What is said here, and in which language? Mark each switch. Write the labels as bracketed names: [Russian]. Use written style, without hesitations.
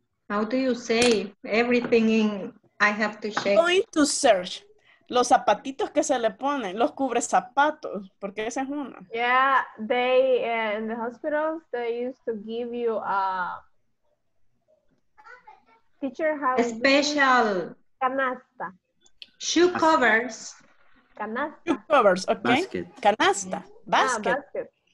[English] How do you say everything in, I have to check. I'm going to search. [Spanish] Los zapatitos que se le ponen, los cubre zapatos, porque esa es una. [English] Yeah, they, in the hospitals, they used to give you a teacher house. Special. [Spanish] Canasta. [English] Shoe covers. [Spanish] Canasta. [English] Shoe covers, okay. Basket. Canasta. Yeah. Basket. Ah, basket.